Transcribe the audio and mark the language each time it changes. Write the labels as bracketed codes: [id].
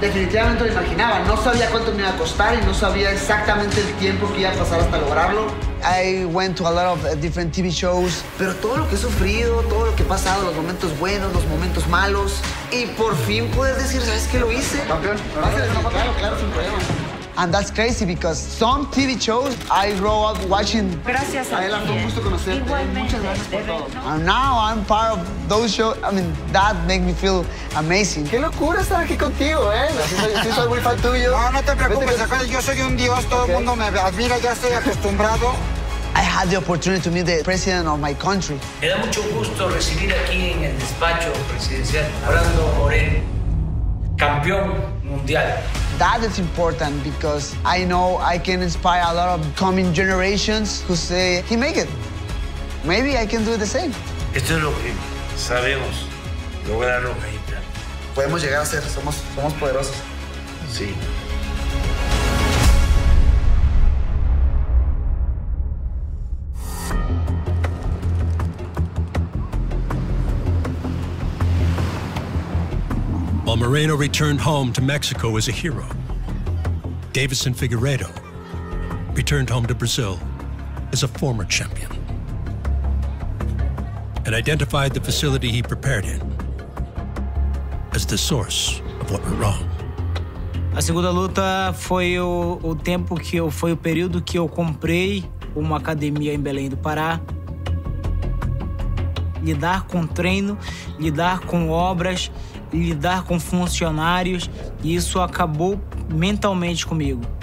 [es] Definitivamente lo imaginaba. No sabía cuánto me iba a costar y no sabía exactamente el tiempo que iba a pasar hasta lograrlo. [en] I went to a lot of different TV shows. [es] Pero todo lo que he sufrido, todo lo que he pasado, los momentos buenos, los momentos malos, y por fin poder decir, ¿sabes qué lo hice? Campeón. Claro, sin problema. [en] And that's crazy because some TV shows I grew up watching. [es] Gracias a él, un gusto conocerte. Igualmente. Muchas gracias por todo. [en] And now I'm part of those shows. I mean, that makes me feel amazing. [es] Qué locura estar aquí contigo, ¿eh? Sí soy muy fan tuyo. No te preocupes, yo soy un dios, todo el mundo me admira, ya estoy acostumbrado. I [en] had the opportunity to meet the president of my country. [es] Me da mucho gusto recibir aquí en el despacho presidencial Orlando Moreno, campeón mundial. [en] That is important because I know I can inspire a lot of coming generations who say, he make it. Maybe I can do the same. [es] Esto es lo que sabemos lograr, los mexicanos. Podemos llegar a ser, somos poderosos. Sí. [en] While Moreno returned home to Mexico as a hero, Davison Figueiredo returned home to Brazil as a former champion and identified the facility he prepared in as the source of what went wrong. [pt] A segunda luta foi o tempo que eu foi o período que eu comprei uma academia em Belém do Pará. Lidar com treino, lidar com obras, lidar com funcionários, e isso acabou mentalmente comigo.